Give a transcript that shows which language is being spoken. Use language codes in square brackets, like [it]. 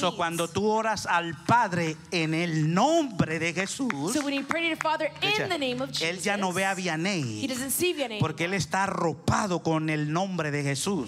[es] So cuando tú oras al Padre en el nombre de Jesús. [en] So when you pray to the Father in the name of Jesus, [es] él ya no ve a Vianney, [en] he doesn't see Vianney [es] porque él está arropado con el nombre de Jesús